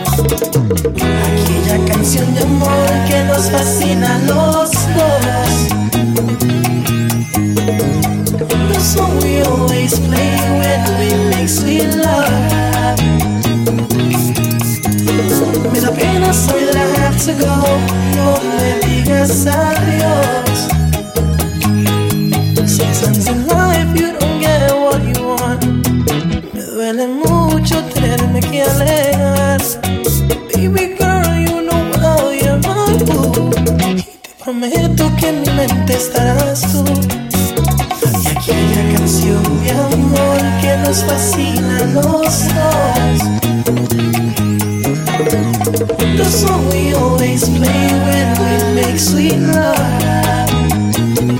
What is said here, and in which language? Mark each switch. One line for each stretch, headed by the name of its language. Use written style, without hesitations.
Spanish: Aquella canción de amor que nos fascina a los dos.
English: The song we always play when we make sweet love.
Spanish: Me da pena, soy
English: that I have to go.
Spanish: No le digas adiós.
English: Sometimes in life you don't get what you want.
Spanish: Me duele mucho tenerme que alejar.
English: Baby girl, you know how you're my boo.
Spanish: Y te prometo que en mi mente estarás tú. Y aquella canción de amor que nos fascina a los dos.
English: The song we always play when we make sweet love.